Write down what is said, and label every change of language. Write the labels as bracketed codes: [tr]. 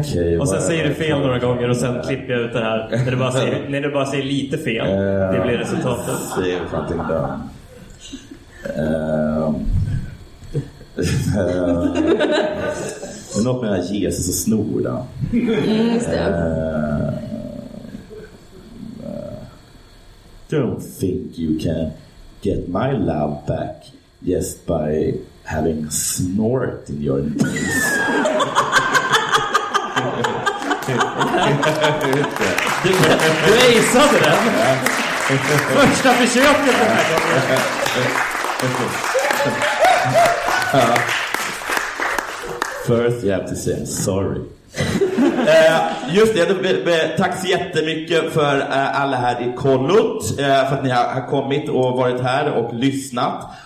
[sv] Okay, och sen säger du fel några gånger och sen klipper jag ut det här. När du bara säger lite fel, det blir resultatet. Det är fan inte då. Något med Jesus och snor då. [en] Don't think you can get my love back just by having snort in your nose. [sv] Du ejsade den. Första försöket den här gången. [en] First you have to say sorry. [sv] Just det, tack så jättemycket för alla här i Kollot, för att ni har kommit och varit här och lyssnat.